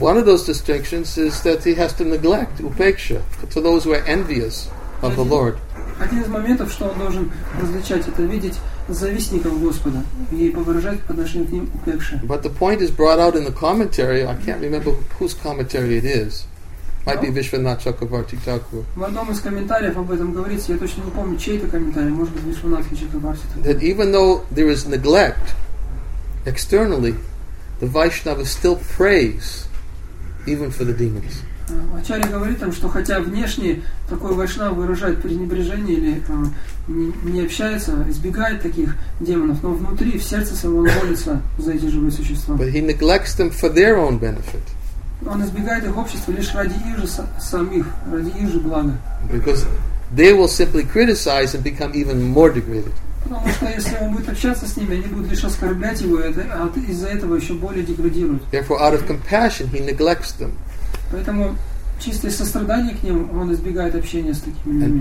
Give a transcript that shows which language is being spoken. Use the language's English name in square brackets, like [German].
[English] One of those distinctions is that he has to neglect upeksha to those who are envious of the Lord. [Russian] Один из моментов, что он должен различать, это видеть завистников Господа и повыражать отношение к ним упекши. [English] But the point is brought out in the commentary. I can't remember whose commentary it is. Might be Vishwanath Chakravarti Thakur. [Russian] В одном из комментариев об этом говорится. Я точно не помню, чей это комментарий. Может быть, Вишванат Чакраварти Такур. [English] That even though there is neglect externally, the Vaishnava still prays even for the demons. [Russian] Ачарья говорит там, что хотя внешне такой вайшнав выражает пренебрежение или не общается, избегает таких демонов, но внутри, в сердце своего он молится за эти живые существа. [English] But he neglects them for their own benefit. [Russian] Он избегает их общества лишь ради их же самих, ради их же блага. [English] Because they will simply criticize and become even more degraded. [Russian] Потому что если он будет общаться с ними, они будут лишь оскорблять его, а из-за этого еще более деградируют. [English] Therefore, out of compassion, he neglects them. [Russian] Поэтому чистое сострадание к ним, он избегает общения с такими людьми.